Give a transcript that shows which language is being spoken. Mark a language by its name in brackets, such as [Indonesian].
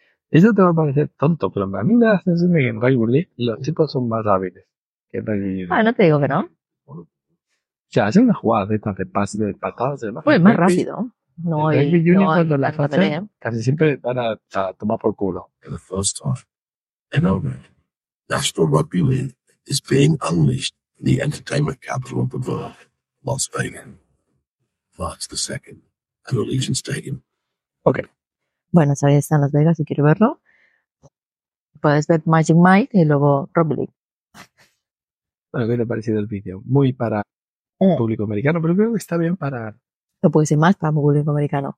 [Spanish] Eso te va a parecer tonto, pero a mí me da la sensación de que en rugby los tipos son más hábiles que en rugby. Ah, no te digo que no. O sea, hacer una jugada de estas de pases, de patadas, de pues más rápido. No hay. En rugby no cuando las hacen, casi siempre van a tomar por culo. [English] For the first time, and over, National Rugby League is being unleashed in the entertainment capital of the world, Las Vegas. March the 2nd, at Allegiant Stadium. Ok. [Spanish] Bueno, sabéis, está en Las Vegas, si quiero verlo. Puedes ver Magic Mike y luego Rugby League. Bueno, ¿qué te ha parecido el vídeo? Muy para público americano, pero creo que está bien para. No puede ser más para un público americano.